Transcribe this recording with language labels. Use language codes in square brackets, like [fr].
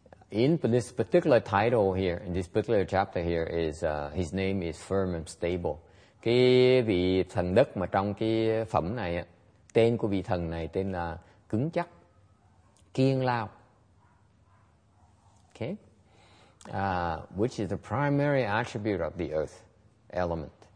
[en] In this particular title here, in this particular chapter here, is his name is firm and stable. [vi] Cái vị thần đất mà trong cái phẩm này, tên của vị thần này tên là cứng chắc, kiên lao. [en] Okay, which is the primary attribute of the earth element.